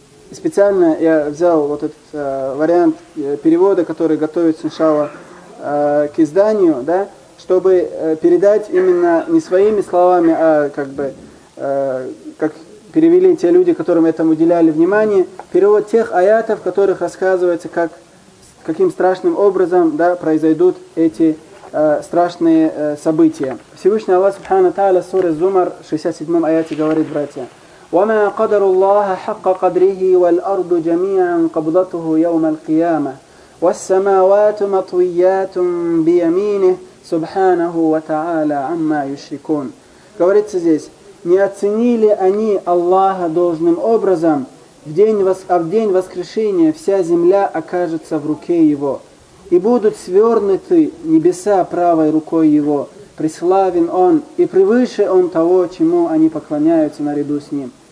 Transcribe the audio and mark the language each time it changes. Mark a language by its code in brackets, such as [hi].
[ru] Специально я взял вот этот вариант перевода, который готовится сначала к изданию, да, чтобы передать именно не своими словами, а как бы как перевели те люди, которым этому уделяли внимание, перевод тех аятов, в которых рассказывается, как, каким страшным образом, да, произойдут эти страшные события. Всевышний Аллах Субхана Тааля сура Зумар 67 аяте говорит, братья: [ar] وما قدر الله حق قدره والأرض جميعا قبضته يوم القيامة والسماوات مطويات بيمينه سبحانه وتعالى عما يشركون. [ru] Говорится здесь: не оценили они Аллаха должным образом, в день воскрешения вся земля окажется в руке Его, и будут свернуты небеса правой рукой Его, преславен Он и превыше Он того, чему они поклоняются наряду с Ним.